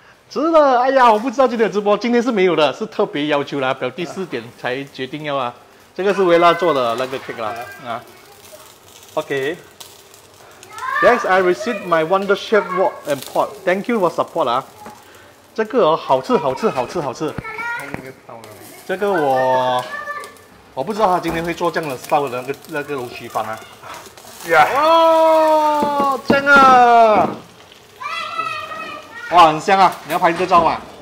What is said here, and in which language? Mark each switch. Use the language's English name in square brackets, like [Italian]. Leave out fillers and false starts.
[Chinese] 是的，哎呀，我不知道今天的直播，今天是没有的，是特别要求啦，表弟4点才决定要啊。这个是维拉做的那个 cake 啦，啊，OK。 [English] Thanks, I received my Wonder Chef wok and pot. Thank you for support 啊。 [Chinese] 这个、哦、好吃，好吃，好吃，好吃。这个我不知道他今天会做这样的烧的那个龙须饭啊。 Yeah. 哇，真啊！哇，很香啊！你要拍一个照吗？